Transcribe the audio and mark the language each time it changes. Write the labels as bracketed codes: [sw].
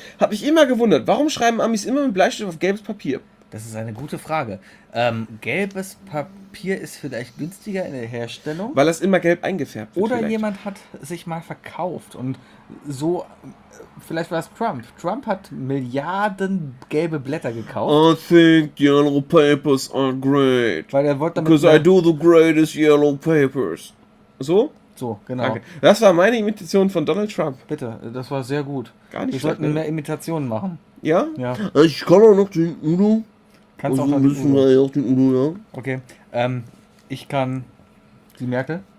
[de] Hab ich immer gewundert, warum schreiben Amis immer mit Bleistift auf gelbes Papier? Das ist eine gute Frage. Gelbes Papier ist vielleicht günstiger in der Herstellung. Weil das immer gelb eingefärbt wird. Oder vielleicht. Jemand hat sich mal verkauft und so, vielleicht war es Trump. Trump hat Milliarden gelbe Blätter gekauft. [en] I think yellow papers are great. [de] Weil er wollte damit... [en] Because I do the greatest yellow papers. So? [de] So, genau. Okay. Das war meine Imitation von Donald Trump. Bitte, das war sehr gut. Gar nicht. Wir sollten mehr Imitationen machen. Ja? Ja. Ich kann auch noch den Udo. Kannst du auch noch den Udo? Auch den Udo, ja. Okay. Ich kann die Merkel.